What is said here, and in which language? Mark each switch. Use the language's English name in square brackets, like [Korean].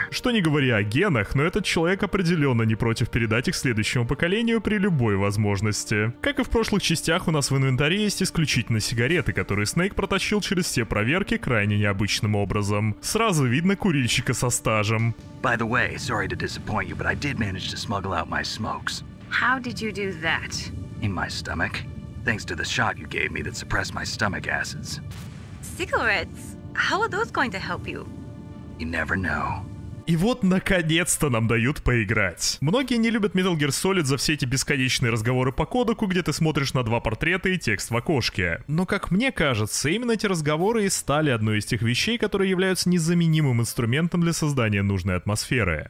[Russian] Что не говоря о генах, но этот человек определенно не против передать их следующему поколению при любой возможности. Как и в прошлых частях, у нас в инвентаре есть исключительно сигареты, которые Снейк протащил через все проверки крайне необычным образом. Сразу видно курильщика со стажем. [English] By the way, sorry to disappoint you, but I did manage to smuggle out my smokes. How did you do that? In my stomach. Thanks to the shot you gave me that suppressed my stomach acids. Cigarettes? How are those going to help you? You never know. [Russian] И вот, наконец-то, нам дают поиграть. Многие не любят Metal Gear Solid за все эти бесконечные разговоры по кодеку, где ты смотришь на два портрета и текст в окошке. Но, как мне кажется, именно эти разговоры и стали одной из тех вещей, которые являются незаменимым инструментом для создания нужной атмосферы.